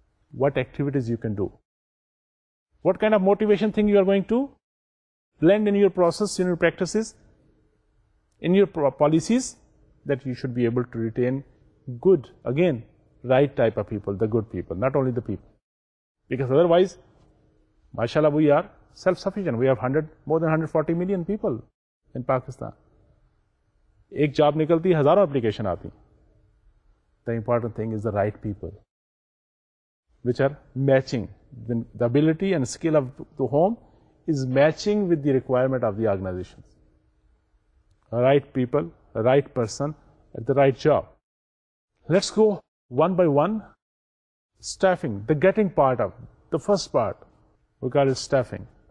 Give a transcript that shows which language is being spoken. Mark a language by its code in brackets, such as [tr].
[en] What activities you can do? What kind of motivation thing you are going to blend in your process, in your practices, in your policies, that you should be able to retain good, again, right type of people, the good people, not only the people. Because otherwise, mashallah, we are self-sufficient. We have more than 140 million people in Pakistan. [ur] ایک job نکلتی ہزاروں application آتی. [en] The important thing is the right people which are matching the ability and skill of the home is matching with the requirement of the organization. Right people, right person at the right job. Let's go one by one. Staffing, the getting part of the first part we call staffing.